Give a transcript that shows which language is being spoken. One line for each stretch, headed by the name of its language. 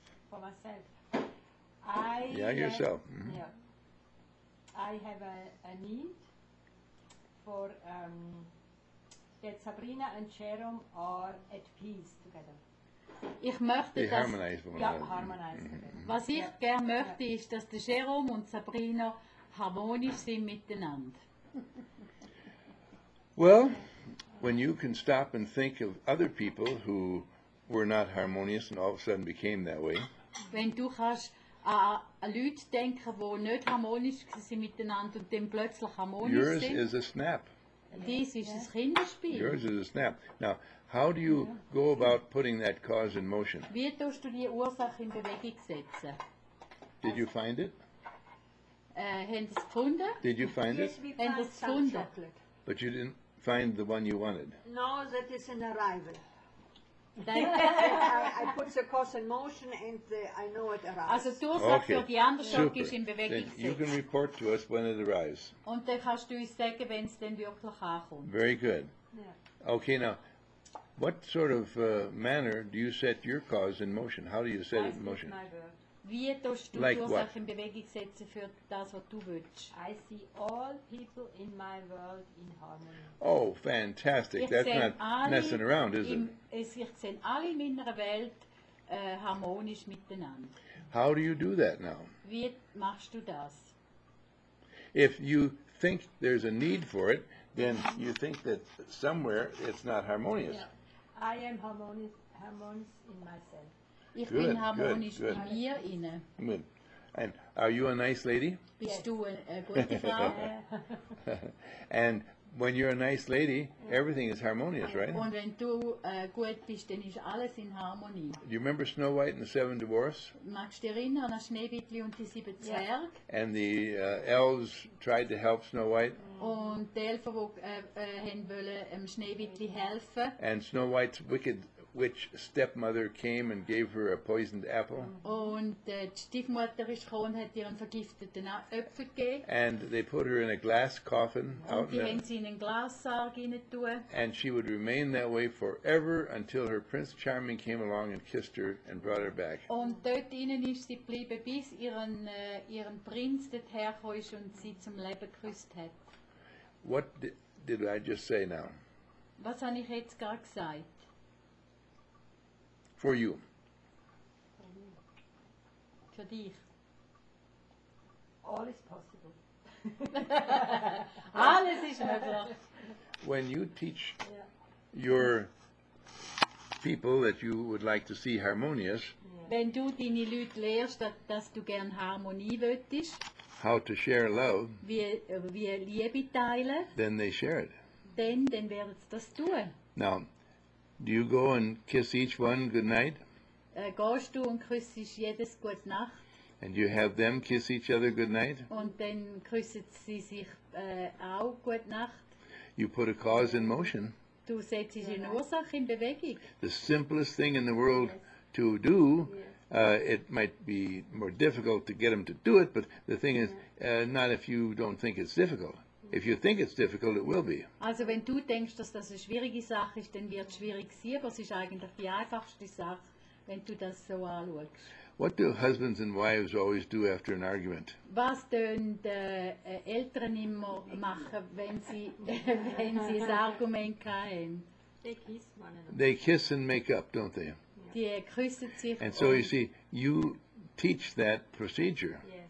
English: For myself. Yourself. Mm-hmm. Yeah. I have a need for. That Sabrina and Jerome are at peace together.
German: Ich möchte,
English: they harmonize one another. Yeah, harmonize.
German: Was ich gern möchte, ist, dass der Jerome und Sabrina harmonisch sind miteinander.
English: Well, when you can stop and think of other people who were not harmonious and all of a sudden became that way.
German: Wenn du kannst an Leute denken, wo nicht harmonisch sind miteinander und dann plötzlich harmonisch
English: yours
German: sind.
English: Yours is a snap. This is a Kinderspiel. Yours is a snap. Now, how do you go about putting that cause in motion?
German: Wie tust du die Ursache in Bewegung setzen?
English: Did you find it?
Swiss German: Händ es gefunden?
English: Did you find yes, it?
Swiss German: Händ es gefunden?
English: But you didn't find the one you wanted. No, that is an arrival. I put the cause in motion and the, I know it arrives.
German: Also die Ursache für die Anderschock ist in Bewegung gesetzt.
English: You can report to us when it arrives.
German: Und dann kannst du uns sagen, wenn es denn wirklich ankommt.
English: Very good. Yeah. Okay, now, what sort of manner do you set your cause in motion? How do you set it in motion?
German: Wie tust du die Ursache in Bewegung setzen für das, was du willst?
English: I see all people in my world in harmony. Oh, fantastic.
German: Ich
English: That's not messing around, is it?
German: Ich sehe alle in meiner Welt harmonisch miteinander.
English: How do you do that now?
German: Wie machst du das?
English: If you think there's a need for it, then you think that somewhere it's not harmonious. Yeah. I am harmonious in myself.
German: Ich
English: good,
German: bin harmonisch
English: good, good.
German: In mir inne.
English: Good. And are you a nice lady?
German: Bist
English: yes.
German: du eine gute Frau?
English: And when you're a nice lady, everything is harmonious, right?
German: Und wenn du gut bist, dann ist alles in Harmonie.
English: Do you remember Snow White and the Seven Dwarfs?
German: Magst du dich erinnern an Schneewittli und die sieben Zwerge?
English: And the elves tried to help Snow White.
German: Und die Elfen, die haben wollen, Schneewittli helfen.
English: And Snow White's wicked witch stepmother came and gave her a poisoned apple.
German: Und die Stiefmutter ist gekommen und hat ihren vergifteten Apfel gegeben.
English: And they put her in a glass coffin.
German: Und die haben sie in einen Glassarg hineintun.
English: And she would remain that way forever until her Prince Charming came along and kissed her and brought her back.
German: Und dort innen ist sie geblieben, bis ihren Prinz dort hergekommen ist und sie zum Leben geküsst hat.
English: What did I just say now?
German: Was habe ich jetzt gerade gesagt?
English: For you.
German: Für dich.
English: All is possible.
German: Alles ist möglich.
English: When you teach your people that you would like to see harmonious,
German: wenn du deine Leute lehrst, dass du gern Harmonie möchtest,
English: how to share love,
German: wie Liebe teilen,
English: then they share it.
German: Dann werden sie das tun.
English: Now, do you go and kiss each one good night?
German: Gehst du und küsst jedes gute Nacht?
English: And you have them kiss each other good night?
German: Und dann küssen sie sich auch gute Nacht?
English: You put a cause in motion.
German: Du setzt eine Ursache in Bewegung.
English: The simplest thing in the world to do, it might be more difficult to get them to do it, but the thing is, not if you don't think it's difficult. If you think it's difficult, it will be.
German: Also, wenn du denkst, dass das eine schwierige Sache ist, dann wird es schwierig sein, aber es ist eigentlich die einfachste Sache, wenn du das so anschaust.
English: What do husbands and wives always do after an argument?
German: Was tun die Eltern immer machen, wenn sie ein Argument haben?
English: They kiss and make up, don't they?
German: Die küssen sich.
English: And so you see, you teach that procedure.